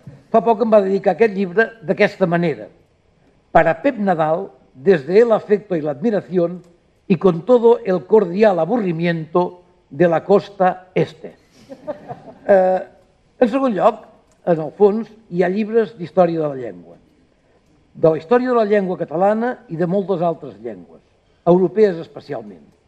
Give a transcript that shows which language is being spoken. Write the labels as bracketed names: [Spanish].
[Catalan] Fa poc em va dedicar aquest llibre d'aquesta manera. [Spanish] Para Pep Nadal, desde el afecto y la admiración y con todo el cordial aburrimiento de la costa este. [Catalan] En segon lloc, en el fons, hi ha llibres d'història de la llengua, de la història de la llengua catalana i de moltes altres llengües, europees especialment.